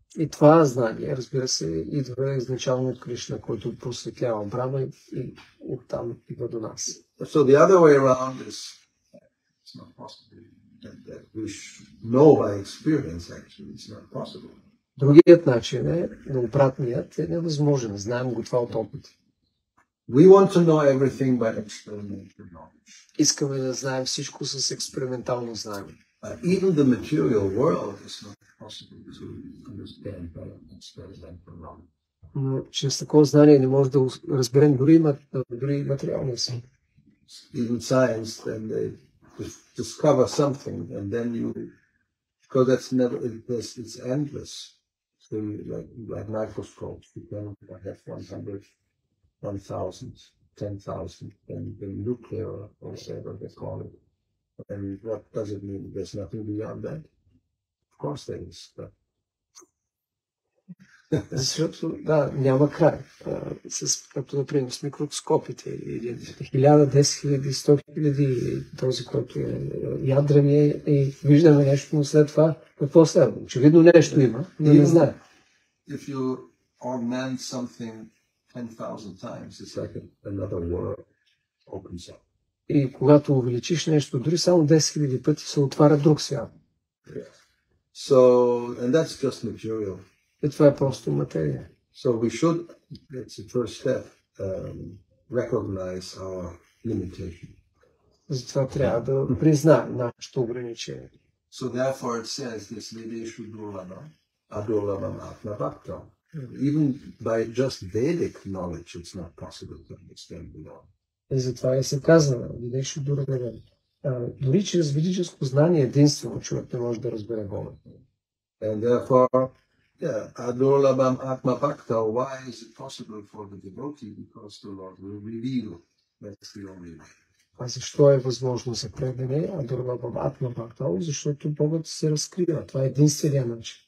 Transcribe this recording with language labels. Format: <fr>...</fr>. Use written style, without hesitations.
<bg>И това знание, разбира се, идва изначално от Кришна, който просветлява Брама и оттам идва до нас.</bg> <en>So the other way around is it's not possible. That we know by experience actually it's not possible.</en> <bg>Другият начин е, но обратният е невъзможен. Знаем го това от опит.</bg> <en>We want to know everything by experimental knowledge.</en> <bg>Искаме да знаем всичко с експериментално знание.</bg> <en>But even the material world is not possible to understand by experimental knowledge.</en> <bg>Но чрез такова знание не може да разберем дори материални си.</bg> <en>Even science, then they discover something, and then you, because that's never, it's endless. So you, like microscopes, you can have 100, 1,000, 10,000, and the nuclear, or whatever they call it. And what does it mean? There's nothing beyond that? Of course there is, but...</en> <bg>Защото, да, няма край. Като, например, с микроскопите или 1000, 10 000, 100 000, този, който е ядрен е, и виждаме нещо, но след това, какво следва? Очевидно нещо има, но не знае.</bg> <en>If you augment something 10,000 times, it's like another world opens up.</en> <bg>И когато увеличиш нещо, дори само 10 000 пъти, се отваря друг свят.</bg> <en>So, and that's just material.</en> <bg>И това е просто материя.</bg> <en>So we should, that's the first step, recognize our limitation.</en> <bg>Затова трябва да признаем нашето ограничение.</bg> <en>So therefore it says this Vedeshu Durvana, Adurvam Atma Bhakta. Even by just Vedic knowledge it's not possible to understand beyond.</en> <bg>И затова е се казано, Vedeshu Durvana. Дори чрез ведическо знание единствено човек не може да разбере Бога.</bg> <en>And therefore, yeah, Adurlabham Atma Bhakta, why is it possible for the devotee? Because the Lord will reveal. That's the only way.</en> <bg>А защо е възможно за предене Адурлабам Атма Бхакта? Защото Богът се разкрива. Това е единствения начин.</bg>